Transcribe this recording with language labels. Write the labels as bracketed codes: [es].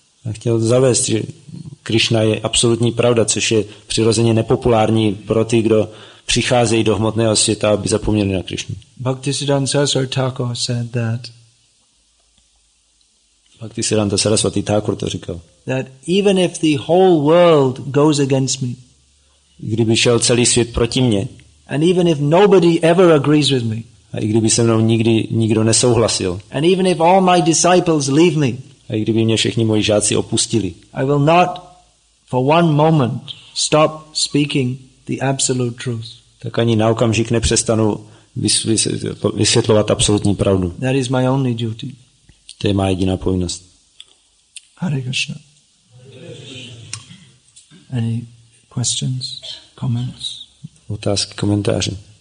[cs] A chtěl zavést, že Krishna je absolutní pravda, což je přirozeně nepopulární pro ty, kdo přicházejí do hmotného světa, aby zapomněli na Krishnu. [en] Bhaktisiddhanta Saraswati Thakur said that. [cs] Bhaktisiddhanta Saraswati Thakur to říkal. [en] That even if the whole world goes against me, [cs] kdyby šel celý svět proti mně, [en] and even if nobody ever agrees with me, [cs] a i kdyby se mnou nikdy nikdo nesouhlasil, [en] and even if all my disciples leave me, [cs] a i kdyby mě všichni moji žáci opustili, [en] I will not for one moment stop speaking the absolute truth. [cs] Tak ani na okamžik nepřestanu vysvětlovat absolutní pravdu. [en] That is my only duty. [cs] To je má jediná povinnost. [en] Hare Krishna. Any questions, comments? [cs] Otázky, komentáře.